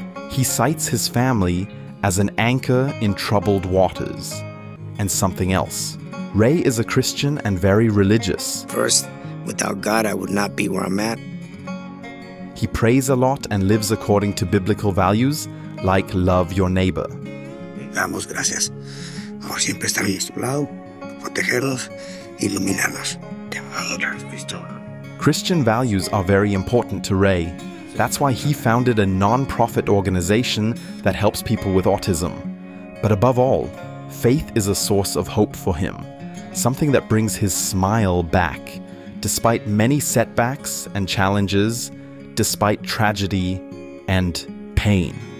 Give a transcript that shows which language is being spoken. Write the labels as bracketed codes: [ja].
[en] He cites his family as an anchor in troubled waters. And something else. Rey is a Christian and very religious. First, without God, I would not be where I'm at. He prays a lot and lives according to biblical values, like love your neighbor. [es] Damos gracias por siempre estar a nuestro lado, protegernos, iluminarnos. Te amamos, Cristo. [en] Christian values are very important to Rey. That's why he founded a non-profit organization that helps people with autism. But above all, faith is a source of hope for him, something that brings his smile back. Despite many setbacks and challenges, despite tragedy and pain.